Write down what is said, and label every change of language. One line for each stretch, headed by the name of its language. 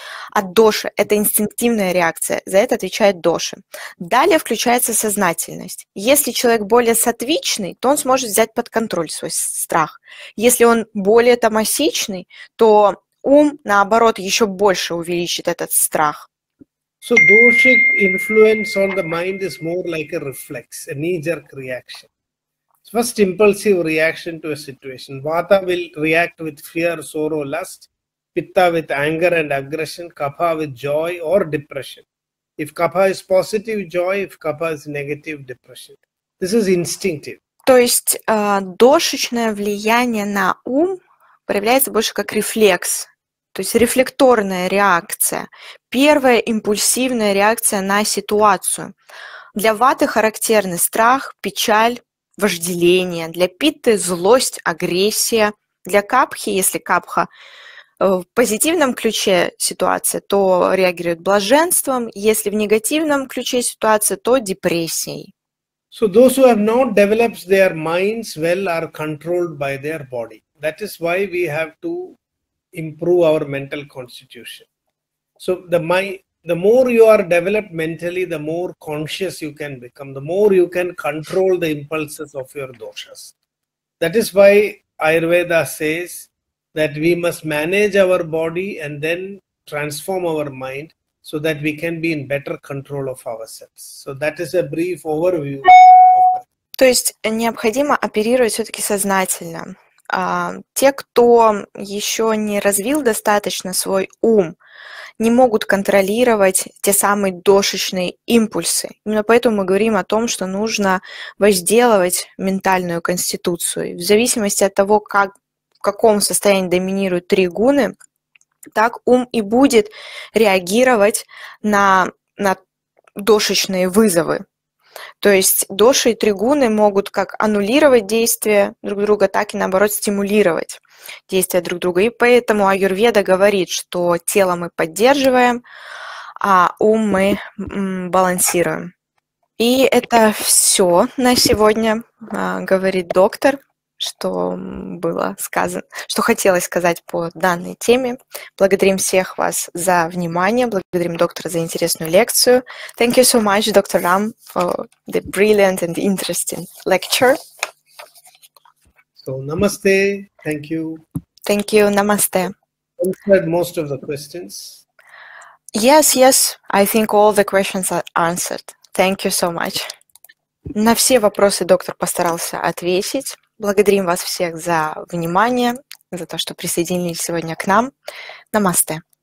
Russian: А доша – это инстинктивная реакция, за это отвечает доша. Далее включается сознательность. Если человек более сатвичный, то он сможет взять под контроль свой страх. Если он более тамасичный, то ум, наоборот, еще больше увеличит этот страх.
English: So doshic influence on the mind is more like a reflex, a knee-jerk reaction. First impulsive reaction to a situation. Vata will react with fear, sorrow, lust. Pitta with anger and aggression. Kapha with joy or depression. If kapha is positive, joy. If kapha is negative, depression. This is instinctive.
Russian: То есть дошечное влияние на ум проявляется больше как рефлекс. То есть рефлекторная реакция, первая импульсивная реакция на ситуацию. Для ваты характерны страх, печаль, вожделение. Для питты – злость, агрессия. Для капхи, если капха в позитивном ключе ситуация, то реагирует блаженством. Если в негативном ключе ситуация, то депрессией.
English: So those who have not developed their minds well are controlled by their body. That is why we have to improve our mental constitution. So the more you are developed mentally, the more conscious you can become, the more you can control the impulses of your doshas. That is why Ayurveda says that we must manage our body and then transform our mind so that we can be in better control of ourselves. So that is a brief overview.
Russian: То есть необходимо оперировать все-таки сознательно. Те, кто еще не развил достаточно свой ум, не могут контролировать те самые дошечные импульсы. Именно поэтому мы говорим о том, что нужно возделывать ментальную конституцию. В зависимости от того, как, в каком состоянии доминируют три гуны, так ум и будет реагировать на дошечные вызовы. То есть доши и тригуны могут как аннулировать действия друг друга, так и наоборот стимулировать действия друг друга. И поэтому Аюрведа говорит, что тело мы поддерживаем, а ум мы балансируем. И это все на сегодня, говорит доктор, что было сказано, что хотелось сказать по данной теме. Благодарим всех вас за внимание. Благодарим доктора за интересную лекцию.
English: Thank you so much, Dr. Ram, for the brilliant and interesting lecture. So, namaste. Thank you. Thank you. Namaste. You answered most of the questions. Yes, yes. I think all the questions are answered. Thank you so much.
Russian: На все вопросы доктор постарался ответить. Благодарим вас всех за внимание, за то, что присоединились сегодня к нам. Намасте.